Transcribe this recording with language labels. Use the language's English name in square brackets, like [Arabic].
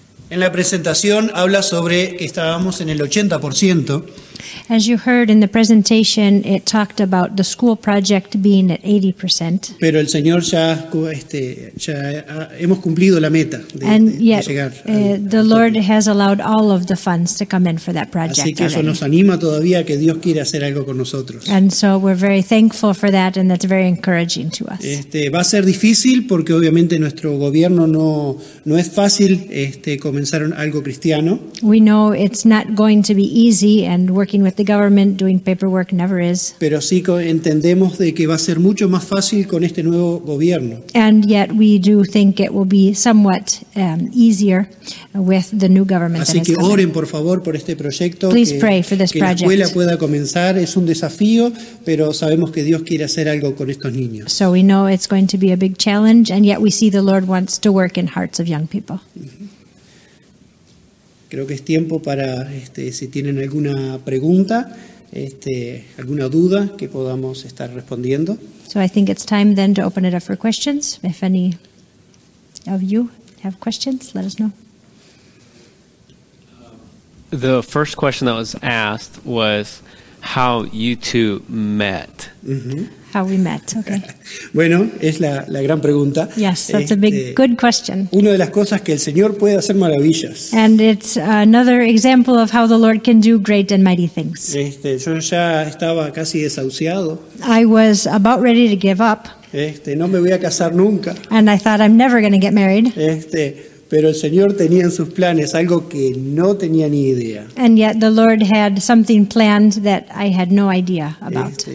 [Spanish] En la presentación habla sobre que estábamos en el 80%. [English] As you heard in the presentation, it talked about the school project being at 80%. [Spanish] Pero el Señor ya, ya hemos cumplido la meta de llegar. [English] The Lord has allowed all of the funds to come in for that project. [Spanish] Así que eso nos anima todavía que Dios quiere hacer algo con nosotros. [English] And so we're very thankful for that, and that's very encouraging to us. [Spanish] Va a ser difícil porque obviamente nuestro gobierno no es fácil comenzar algo cristiano. [English] We know it's not going to be easy, and working with the government doing paperwork never is. [Spanish] Pero sí entendemos de que va a ser mucho más fácil con este nuevo gobierno. [English] And yet we do think it will be somewhat easier with the new government. [Spanish] Así que oren por favor por este proyecto. [English] Please pray for this project. [Spanish] Que la escuela pueda comenzar, es un desafío, pero sabemos que Dios quiere hacer algo con estos niños. [English] So we know it's going to be a big challenge, and yet we see the Lord wants to work in hearts of young people. [Spanish] Creo que es tiempo para, si tienen alguna pregunta, alguna duda, que podamos estar respondiendo. [English] So I think it's time then to open it up for questions. If any of you have questions, let us know. The first question that was asked was how you two met. Mm-hmm. How we met, okay. [Spanish] Bueno, es la gran pregunta. [English] Yes, that's a big, good question. [Spanish] Una de las cosas que el Señor puede hacer maravillas. [English] And it's another example of how the Lord can do great and mighty things. [Spanish] Yo ya estaba casi desahuciado. [English] I was about ready to give up. [Spanish] No me voy a casar nunca. [English] And I thought, I'm never going to get married. [Spanish] Pero el Señor tenía en sus planes algo que no tenía ni idea. [English] And yet the Lord had something planned that I had no idea about.